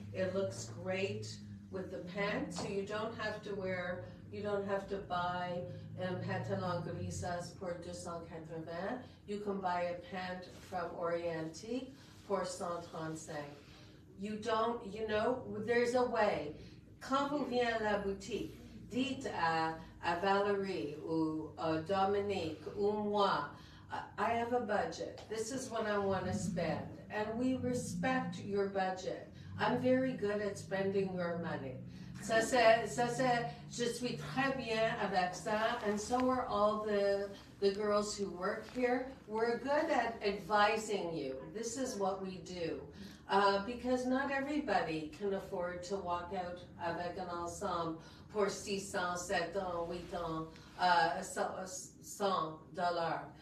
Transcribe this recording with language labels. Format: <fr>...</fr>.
<en>It looks great with the pants, so you don't have to wear, you don't have to buy</en> <fr>un pantalon grisas pour 280.</fr> <en>You can buy a pant from Orienti for 135. You don't, you know, there's a way.</en> <fr>Quand vous venez à la boutique, dites à Valerie ou à Dominique ou moi,</fr> <en>I have a budget. This is what I want to spend. And we respect your budget. I'm very good at spending your money.</en> <fr>Ça c'est, je suis très bien avec ça.</fr> <en>And so are all the girls who work here. We're good at advising you. This is what we do. Because not everybody can afford to walk out</en> <fr>avec un ensemble pour</fr> <en>600, 700, 800, $100.</en>